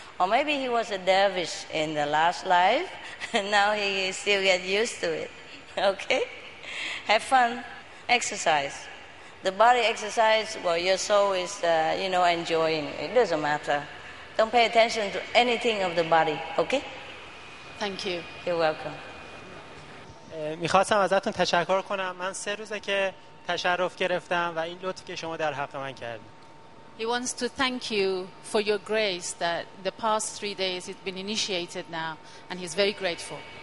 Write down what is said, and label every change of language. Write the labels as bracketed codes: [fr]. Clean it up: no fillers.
[en] Or maybe he was a dervish in the last life, and now he still gets used to it. Okay? Have fun. Exercise. The body exercise, well, your soul is, enjoying. It doesn't matter. Don't pay attention to anything of the body. Okay? Thank you. You're welcome. [fa] میخواستم ازتون تشکر کنم. من 3 روزه که تشرف گرفتم و این لطف که شما در حق من کردید. [en] He wants to thank you for your grace that the past 3 days he's been initiated now, and he's very grateful.